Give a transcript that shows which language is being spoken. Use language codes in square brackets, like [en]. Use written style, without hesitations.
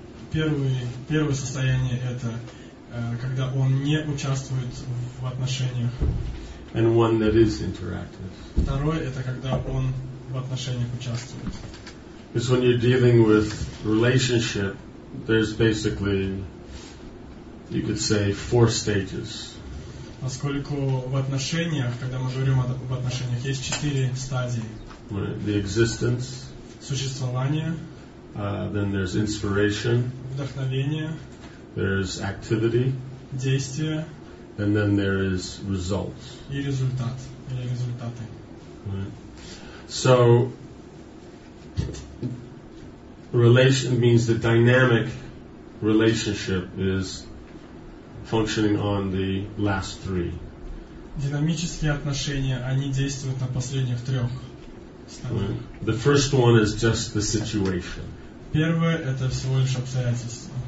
[ru] Первое состояние это когда он не участвует в отношениях. [en] And one that is interactive. [ru] Второе это когда он в отношениях участвует. [en] Because when you're dealing with relationship, there's basically, you could say, four stages. [ru] Поскольку в отношениях, когда мы говорим об отношениях, есть четыре стадии. [en] The existence. [ru] Существование. [en] Then there's inspiration. [ru] Вдохновение. [en] There's activity. [ru] Действие. [en] And then there is results. [ru] И результат. Или результаты. [en] Right. So, relation means the dynamic relationship is functioning on the last three. [ru] Динамические отношения, они действуют на последних трех стадиях. [en] The first one is just the situation. [ru] Первое это всего лишь обстоятельства.